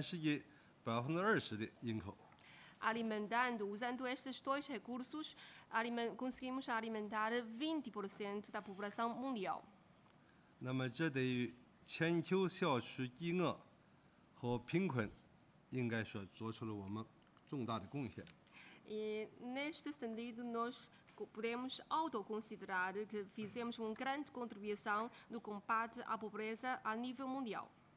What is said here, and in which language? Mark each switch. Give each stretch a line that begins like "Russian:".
Chinese: 养活着占世界人口20%的人口。
Portuguese: Alimentando, usando estes dois recursos, conseguimos alimentar 20% da população mundial.
Chinese: 那么这对于全球消除饥饿和贫困，应该说做出了我们重大的贡献。
Portuguese: E, neste sentido, nós podemos autoconsiderar que fizemos uma grande contribuição no combate à pobreza a nível mundial.